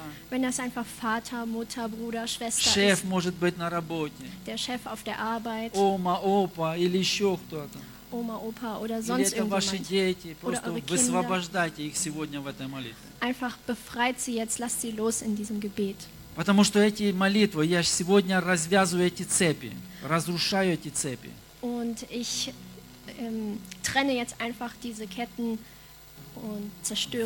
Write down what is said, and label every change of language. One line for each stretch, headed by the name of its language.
German: Wenn das einfach Vater, Mutter, Bruder, Schwester ist, der Chef auf der Arbeit, Oma, Opa
Russian: или еще кто-то.
German: Oma, Opa oder sonst irgendjemand. Oder eure Kinder. Einfach befreit sie jetzt, lasst sie los in diesem Gebet.
Russian: Потому что эти молитвы, я сегодня развязываю эти цепи, разрушаю эти цепи.
German: Und ich trenne jetzt einfach diese Ketten und zerstöre.